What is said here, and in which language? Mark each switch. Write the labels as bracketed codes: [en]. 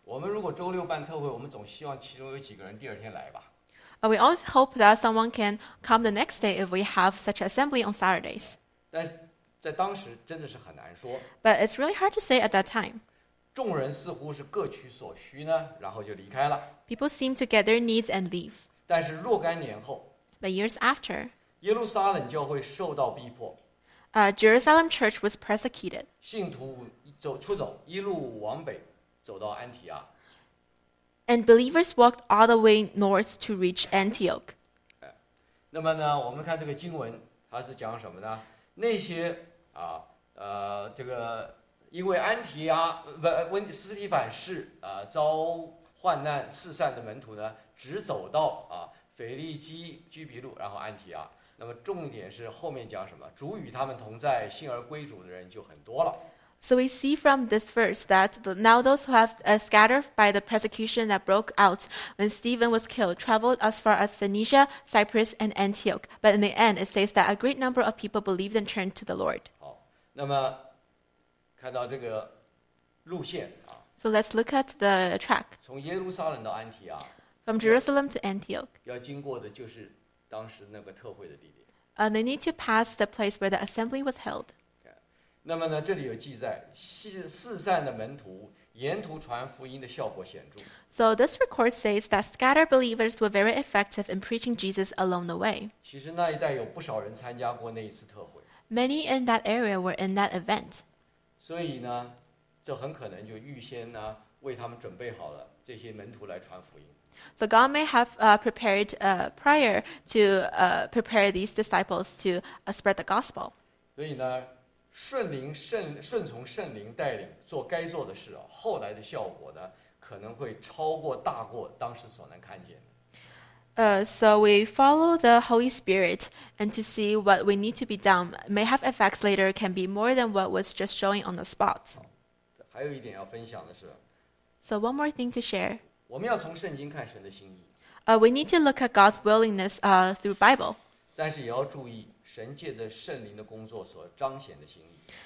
[zh] 我们如果周六办特会，我们总希望其中有几个人第二天来吧。 [en] We always hope that someone can come the next day if we have such assembly on Saturdays. [zh] 但在当时真的是很难说。 [en] But it's really hard to say at that time. [zh] 众人似乎是各取所需呢，然后就离开了。 [en] People seem to get their needs and leave. [zh] 但是若干年后 [en] ，But years after, [zh] 耶路撒冷教会受到逼迫。 [en] Jerusalem church was persecuted. [zh] 信徒走出走，一路往北，走到安提阿。 [en] And believers walked all the way north to reach Antioch. [zh] 那么呢，我们看这个经文，它是讲什么呢？那些啊，这个因为安提阿温斯提反是啊遭患难四散的门徒呢，只走到啊腓利基居比路，然后安提阿。那么重点是后面讲什么？主与他们同在，信而归主的人就很多了。 [en] So we see from this verse that now those who have scattered by the persecution that broke out when Stephen was killed traveled as far as Phoenicia, Cyprus, and Antioch. But in the end, it says that a great number of people believed and turned to the Lord. [zh] 好，那么看到这个路线啊。 [en] So let's look at the track. [zh] 从耶路撒冷到安提阿。 [en] From Jerusalem to Antioch. [zh] 要经过的就是当时那个特会的地点。 [en] They need to pass the place where the assembly was held. [zh] 那么呢，这里有记载，四散的门徒沿途传福音的效果显著。 [en] So this record says that scattered believers were very effective in preaching Jesus along the way. [zh] 其实那一带有不少人参加过那一次特会。 [en] Many in that area were in that event. [zh] 所以呢，这很可能就预先呢为他们准备好了这些门徒来传福音。 [en] So God may have prepared prior to prepare these disciples to spread the gospel. [zh] 所以呢，顺从圣灵带领做该做的事，后来的效果呢，可能会超过大过当时所能看见的。 [en] So we follow the Holy Spirit and to see what we need to be done may have effects later can be more than what was just showing on the spot. [zh] 还有一点要分享的是。 [en] So one more thing to share. [zh] 我们要从圣经看神的心意。 [en] We need to look at God's willingness through Bible. [zh] 但是也要注意神借着圣灵的工作所彰显的心意。